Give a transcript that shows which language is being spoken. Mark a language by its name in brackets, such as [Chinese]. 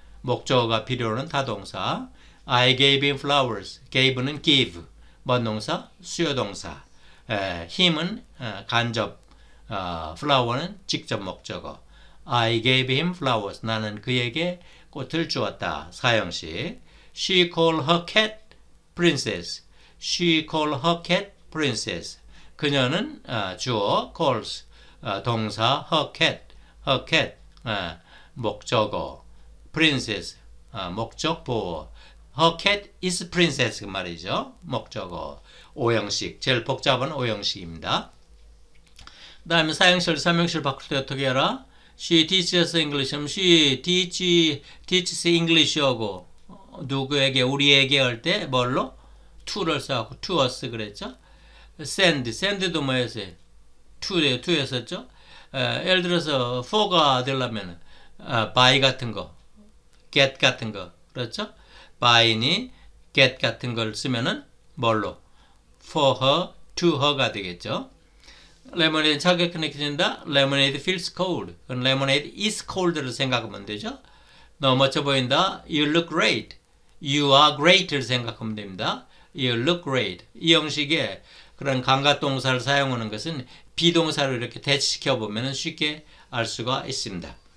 [Korean] 목적어가 필요한 타동사. [English] I gave him flowers. [Korean] gave는 give. 뭔 동사? 수요동사. him은 간접. flower는 직접 목적어. [English] I gave him flowers. [Korean] 나는 그에게 꽃을 주었다. 사형식. [English] She called her cat princess. She called her cat princess. [Korean] 그녀는 주어 calls 동사 her cat. Her cat 목적어 princess 목적 보어. [English] Her cat is princess [Korean] 그 말이죠. 목적어 오형식. 제일 복잡한 오형식입니다. 다음에 사형실, 사명실 바꿀 때 어떻게 해라? [English] She teaches English. She teaches English [Korean] 하고 누구에게, 우리에게 할때 뭘로? To를 써갖고 to us 그랬죠? Send도 뭐였어요? To였었죠? 예를 들어서 for가 되려면 by 같은 거, get 같은 거, 그렇죠? by니 get 같은 걸 쓰면은 뭘로? for her, to her가 되겠죠? [English] Lemonade [Korean] 차갑게 느껴진다. [English] Lemonade feels cold. Lemonade is cold를 생각하면 되죠. [Korean] 너무 멋져 보인다. [English] You look great. You are great를 [Korean] 생각하면 됩니다. [English] You look great. [Korean] 이 형식의 그런 감각동사를 사용하는 것은 비동사를 이렇게 대치시켜 보면 쉽게 알 수가 있습니다.